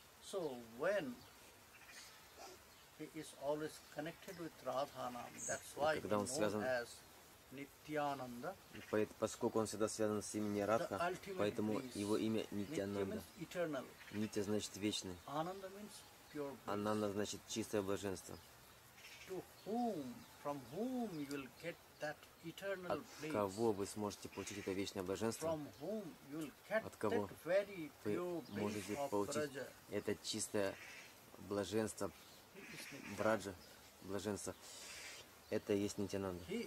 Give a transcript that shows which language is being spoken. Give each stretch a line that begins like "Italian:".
English: So when he is always connected with Radhanam, that's why
Russian: когда он связан,
English: as Nityananda,
Russian: поскольку он всегда связан с именем Радха, поэтому его имя Нитянанда. Нитья значит вечный.
English: Ананда means pure bliss.
Russian: Ананда значит чистое блаженство.
English: To whom, from whom you will get that eternal
Russian: от кого вы сможете получить это вечное блаженство? От кого вы можете получить это чистое блаженство, Враджа, блаженство? Это и есть Нитянанда.